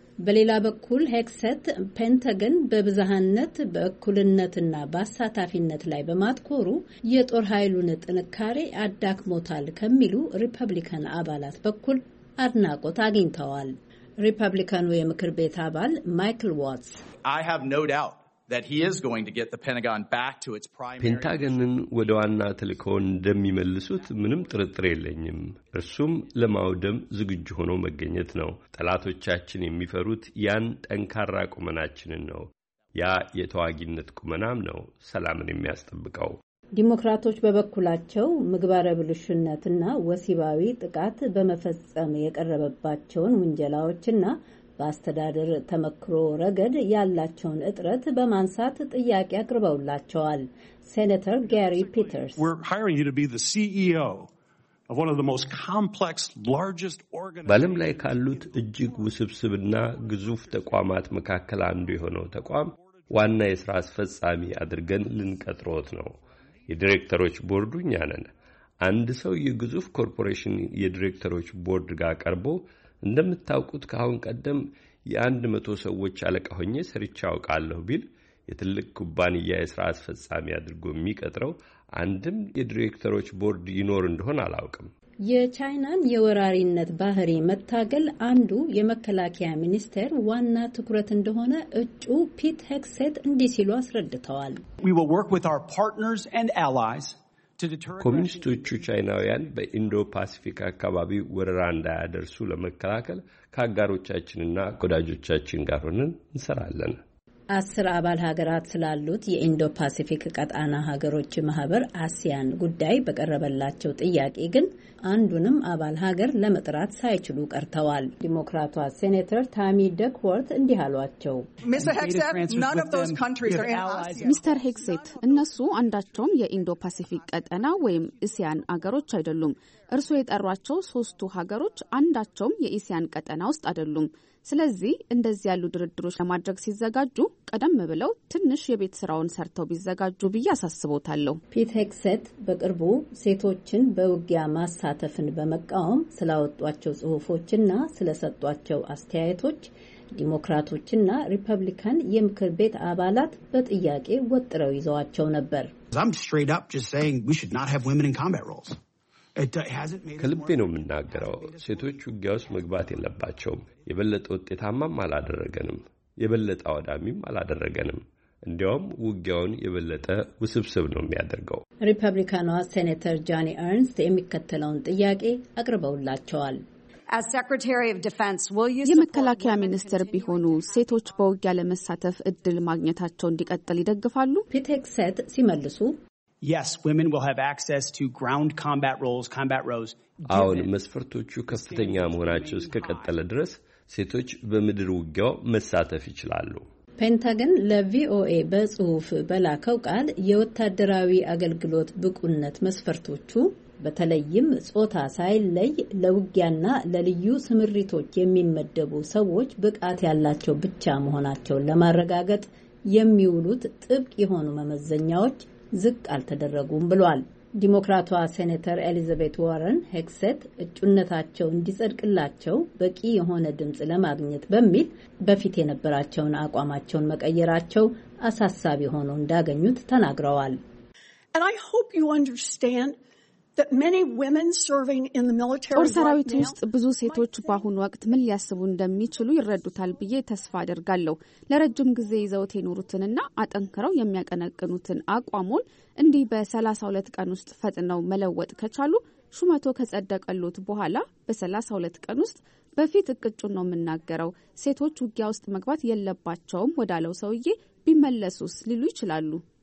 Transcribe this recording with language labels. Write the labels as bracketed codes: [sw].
[am] በሌላ በኩል ሄክሰት ፔንታገን በብዝሃነት በእኩልነትና በአሳታፊነት ላይ በማትኮሩ የጦር ኃይሉን ጥንካሬ አዳክሞታል ከሚሉ ሪፐብሊካን አባላት በኩል አድናቆት አግኝተዋል። ሪፐብሊካኑ የምክር ቤት አባል ማይክል ዋትስ [en] I have no doubt that he is going to get the Pentagon back to its primary [am] Pentagonን ወደ ዋና ተልእኮው እንደሚመልሱት ምንም ጥርጥር የለኝም። እርሱም ለማውደም ዝግጁ ሆኖ መገኘት ነው። ጠላቶቻችን የሚፈሩት ያን ጠንካራ ቁመናችንን ነው። ያ የተዋጊነት ቁመናም ነው ሰላምን የሚያስጠብቀው። ዲሞክራቶች በበኩላቸው ምግባረ ብልሹነትና ወሲባዊ ጥቃት በመፈጸም የቀረበባቸውን ወንጀላዎችና በአስተዳደር ተመክሮ ረገድ ያላቸውን እጥረት በማንሳት ጥያቄ አቅርበውላቸዋል። ሴኔተር ጋሪ ፒተርስ [en] We're hiring you to be the CEO of one of the most complex largest organizations [am] ባለም ላይ ካሉት እጅግ ውስብስብና ግዙፍ ተቋማት መካከል አንዱ የሆነው ተቋም ዋና የሥራ አስፈጻሚ አድርገን ልንቀጥሮት ነው። የዳይሬክተሮች ቦርዱ እኛ ነን። አንድ ሰው የግዙፍ ኮርፖሬሽን የዳይሬክተሮች ቦርድ ጋር ቀርቦ እንደምታውቁት ካሁን ቀደም የ100 ሰዎች አለቃ ሆኜ ሰርቻው ቃለሁ ቢል የትልቅ ኩባንያ የሥራ አስፈጻሚ አድርጎ የሚቀጥረው አንድም የዳይሬክተሮች ቦርድ ይኖር እንደሆነ አላውቅም። የቻይናን የወራሪነት ባህሪ መታገል አንዱ የመከላከያ ሚኒስቴር ዋና ትኩረት እንደሆነ እጩ ፒት ሄክሴት እንዲህ ሲሉ አስረድተዋል። [en] We will work with our partners and allies [am] ኮሚኒስቶቹ ቻይናውያን በኢንዶ ፓሲፊክ አካባቢ ወረራ እንዳያደርሱ ለመከላከል ከአጋሮቻችንና ከወዳጆቻችን ጋር ሆነን እንሰራለን። 10 አባል ሀገራት ስላሉት የኢንዶ ፓሲፊክ ቀጣና ሀገሮች ማህበር አሲያን ጉዳይ በቀረበላቸው ጥያቄ ግን አንዱንም አባል ሀገር ለመጥራት ሳይችሉ ቀርተዋል። ዲሞክራቷ ሴኔተር ታሚ ደክወርት እንዲህ አሏቸው። ሚስተር ሄክሴት እነሱ አንዳቸውም የኢንዶ ፓሲፊክ ቀጣና ወይም አሲያን ሀገሮች አይደሉም። እርሱ የጠሯቸው 3ቱ ሀገሮች አንዳቸውም የአሲያን ቀጣና ውስጥ አይደሉም። ስለዚህ እንደዚህ ያሉ ድርድሮች ለማድረግ ሲዘጋጁ ቀደም ብለው ትንሽ የቤት ስራውን ሰርተው ቢዘጋጁ ቢያሳስቦታለሁ። ፒት ሄክሴት በቅርቡ ሴቶችን በውጊያ ማሳተፍን በመቃወም ስለወጧቸው ጽሑፎችና ስለሰጧቸው አስተያየቶች ዲሞክራቶችና ሪፐብሊካን የምክር ቤት አባላት በጥያቄ ወጥረው ይዘዋቸው ነበር። [en] I'm straight up just saying we should not have women in combat roles. [am] ከልቤ ነው የምናገረው። ሴቶች ውጊያ ውስጥ መግባት የለባቸውም። የበለጠ ውጤታማም አላደረገንም። የበለጠ አወዳሚም አላደረገንም። እንዲያውም ውጊያውን የበለጠ ውስብስብ ነው የሚያደርገው። ሪፐብሊካኗ ሴኔተር ጃኒ ኤርንስት የሚከተለውን ጥያቄ አቅርበውላቸዋል። [en] As Secretary of Defense, will you [am] የመከላከያ ሚኒስትር ቢሆኑ ሴቶች በውጊያ ለመሳተፍ እድል ማግኘታቸው እንዲቀጥል ይደግፋሉ? ፒቴክሰት ሲመልሱ [en] Yes, women will have access to ground combat roles, combat rows. [am] አሁን መስፈርቶቹ ከፍተኛ መሆናቸው እስከቀጠለ ድረስ ሴቶች በምድር ውጊያው መሳተፍ ይችላሉ። ፔንታገን ለቪኦኤ በጽሑፍ በላከው ቃል የወታደራዊ አገልግሎት ብቁነት መስፈርቶቹ በተለይም ጾታ ሳይለይ ለውጊያና ለልዩ ስምሪቶች የሚመደቡ ሰዎች ብቃት ያላቸው ብቻ መሆናቸውን ለማረጋገጥ የሚውሉት ጥብቅ የሆኑ መመዘኛዎች ዝቅ አልተደረጉም ብሏል። ዲሞክራቷ ሴኔተር ኤሊዛቤት ዋረን ሄክሴት እጩነታቸው እንዲጸድቅላቸው በቂ የሆነ ድምጽ ለማግኘት በሚል በፊት የነበራቸውን አቋማቸውን መቀየራቸው አሳሳቢ ሆኖ እንዳገኙት ተናግረዋል። [en] And I hope you understand that many women serving in the military [am] ጦር ሰራዊት ውስጥ ብዙ ሴቶች በአሁን ወቅት ምን ሊያስቡ እንደሚችሉ ይረዱታል ብዬ ተስፋ አደርጋለሁ። ለረጅም ጊዜ ይዘውት የኖሩትና አጠንክረው የሚያቀነቅኑትን አቋሙን እንዲህ በ32 ቀን ውስጥ ፈጥነው መለወጥ ከቻሉ ሹመቶ ከጸደቀሉት በኋላ በ32 ቀን ውስጥ በፊት እቅጩ ነው የምናገረው ሴቶች ውጊያ ውስጥ መግባት የለባቸውም ወዳለው ሰውዬ ቢመለሱስ ሊሉ ይችላሉ።